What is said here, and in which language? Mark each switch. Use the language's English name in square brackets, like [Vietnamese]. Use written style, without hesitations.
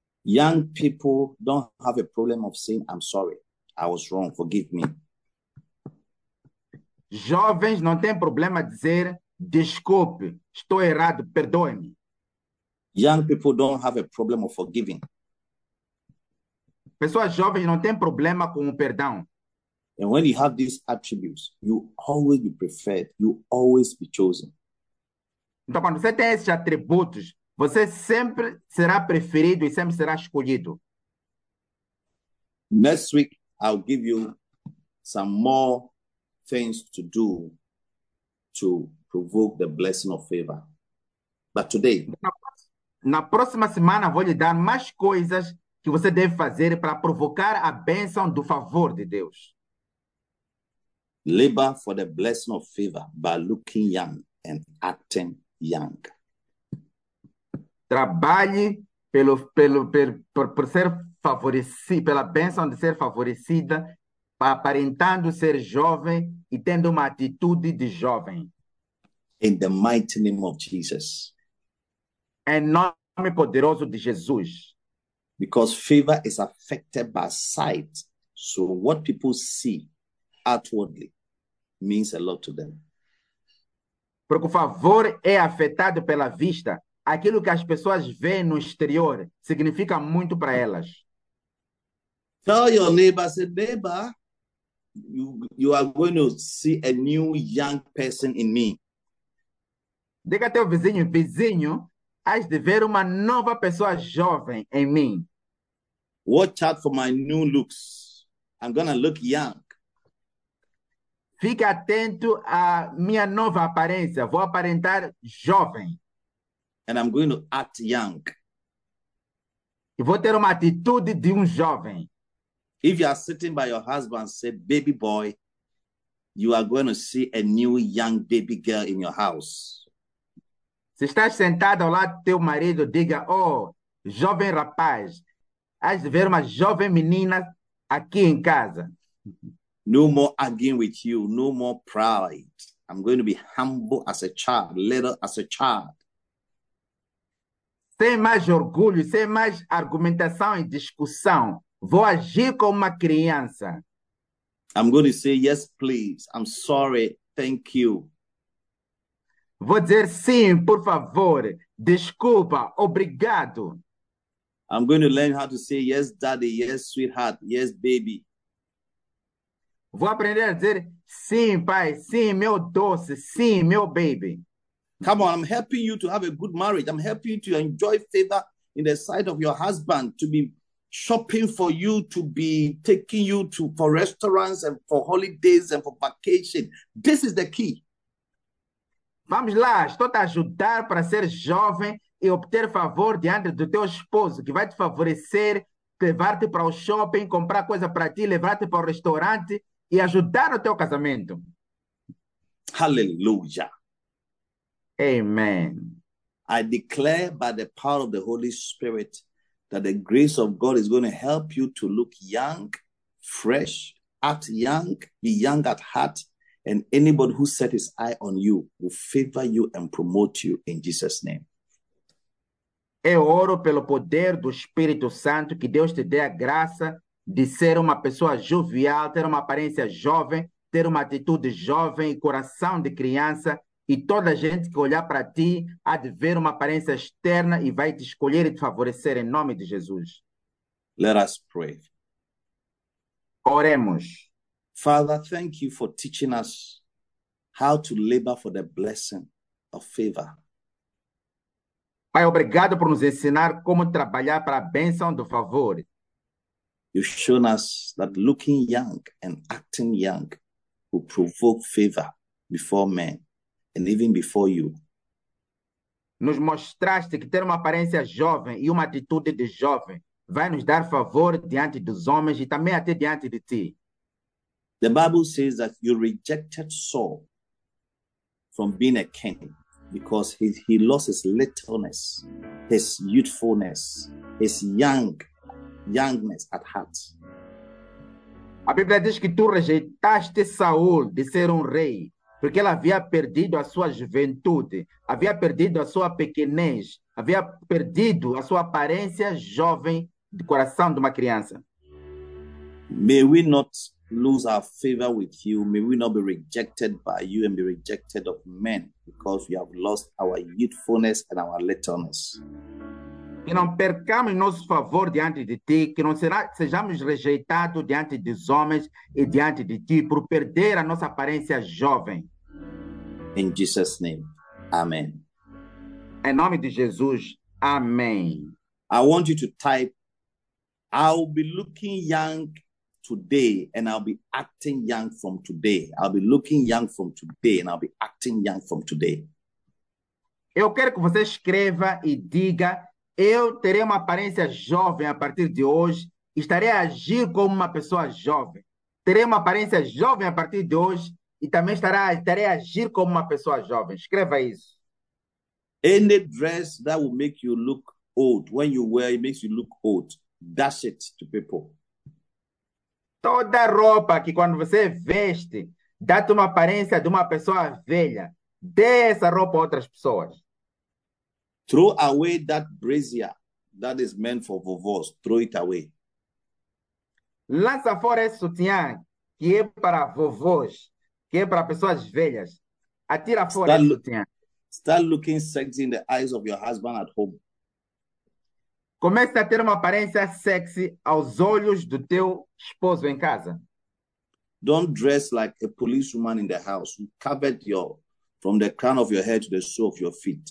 [English] Young people don't have a problem of saying, I'm sorry, I was wrong, forgive me. [Portuguese] Jovens não têm problema dizer desculpe, estou errado, perdoe-me. [English] Young people don't have a problem of forgiving. [Portuguese] Pessoas jovens não têm problema com o perdão. [English] And when you have these attributes, you always be preferred, you always be chosen. [Portuguese] Então, quando você tem esses atributos, você sempre será preferido e sempre será escolhido. [English] Next week, I'll give you some more things to do to provoke the blessing of favor. But today, [Portuguese] Na próxima semana, vou lhe dar mais coisas que você deve fazer para provocar a bênção do favor de Deus. [English] labor for the blessing of favor by looking young and acting young. [Portuguese] Trabalhe por ser favorecido, pela bênção de ser favorecida, aparentando ser jovem e tendo uma atitude de jovem. [English] In the mighty name of Jesus. [Portuguese] Em nome poderoso de Jesus. [English] Because favor is affected by sight. So what people see outwardly means a lot to them. [Portuguese] Porque o favor é afetado pela vista. Aquilo que as pessoas veem no exterior significa muito para elas. [English] Tell your neighbor, say, neighbor, you are going to see a new young person in me. [Portuguese] Diga teu vizinho, vizinho, hás de ver uma nova pessoa jovem em mim. [English] Watch out for my new looks. I'm going to look young. [Portuguese] Fique atento à minha nova aparência. Vou aparentar jovem. [English] And I'm going to act young. [Portuguese] E vou ter uma atitude de jovem. [English] If you are sitting by your husband, say, baby boy, you are going to see a new young baby girl in your house. [Portuguese] Se estás sentado ao lado do teu marido, diga, oh, jovem rapaz, has de ver uma jovem menina aqui em casa. [English] No more arguing with you, no more pride. I'm going to be humble as a child, little as a child. [Portuguese] Sem mais orgulho, sem mais argumentação e discussão. Vou agir como uma criança. [English] I'm going to say, yes, please. I'm sorry. Thank you. [Portuguese] Vou dizer sim, por favor. Desculpa. Obrigado. [English] I'm going to learn how to say, yes, daddy. Yes, sweetheart. Yes, baby. [Portuguese] Vou aprender a dizer sim, pai. Sim, meu doce. Sim, meu baby. [English] Come on, I'm helping you to have a good marriage. I'm helping you to enjoy favor in the sight of your husband, to be shopping for you, to be taking you to for restaurants and for holidays and for vacation. This is the key. [Portuguese] Vamos lá, estou te ajudar para ser jovem e obter favor diante do teu esposo, que vai te favorecer, levar-te para o shopping, comprar coisa para ti, levar-te para o restaurante e ajudar no teu casamento. [English] Hallelujah. Amen. I declare by the power of the Holy Spirit that the grace of God is going to help you to look young, fresh, act young, be young at heart, and anybody who set his eye on you will favor you and promote you in Jesus' name. [Portuguese] Eu oro pelo poder do Espírito Santo que Deus te dê a graça de ser uma pessoa jovial, ter uma aparência jovem, ter uma atitude jovem, coração de criança. E toda a gente que olhar para ti há de ver uma aparência externa e vai te escolher e te favorecer em nome de Jesus. [English] Let us pray. [Portuguese] Oremos. [English] Father, thank you for teaching us how to labor for the blessing of favor. [Portuguese] Pai, obrigado por nos ensinar como trabalhar para a bênção do favor. [English] You've shown us that looking young and acting young will provoke favor before men. And even before you. [Portuguese] Nos mostraste que ter uma aparência jovem e uma atitude de jovem vai nos dar favor diante dos homens e também até diante de ti. [English] The Bible says that you rejected Saul from being a king because he lost his littleness, his youthfulness, his youngness at heart. [Portuguese] A Bíblia diz que tu rejeitaste Saul de ser rei. Porque ele havia perdido a sua juventude, havia perdido a sua pequenez, havia perdido a sua aparência jovem de coração de uma criança. [English] May we not lose our favor with you, may we not be rejected by you and be rejected of men, because we have lost our youthfulness and our littleness. [Portuguese] Que não percamos nosso favor diante de ti, que não sejamos rejeitados diante dos homens e diante de ti por perder a nossa aparência jovem. [English] In Jesus' name, amen. [Portuguese] Em nome de Jesus, amém. [English] I want you to type, I'll be looking young today and I'll be acting young from today. I'll be looking young from today and I'll be acting young from today. [Portuguese] Eu quero que você escreva e diga, eu terei uma aparência jovem a partir de hoje. Estarei a agir como uma pessoa jovem. Terei uma aparência jovem a partir de hoje. E também estarei a agir como uma pessoa jovem. Escreva isso. [English] Any dress that will make you look old, when you wear it makes you look old, dash it to people. [Portuguese] Toda roupa que quando você veste, dá-te uma aparência de uma pessoa velha. dê essa roupa a outras pessoas. [English] Throw away that brazier that is meant for vovós. Throw it away. [Portuguese] Lança fora esse sutiã que é para vovós, que é para pessoas velhas. Atira fora esse sutiã. [English] Start looking sexy in the eyes of your husband at home. [Portuguese] Comece a ter uma aparência sexy aos olhos do teu esposo em casa. [English] Don't dress like a policewoman in the house. You covered your, from the crown of your head to the sole of your feet.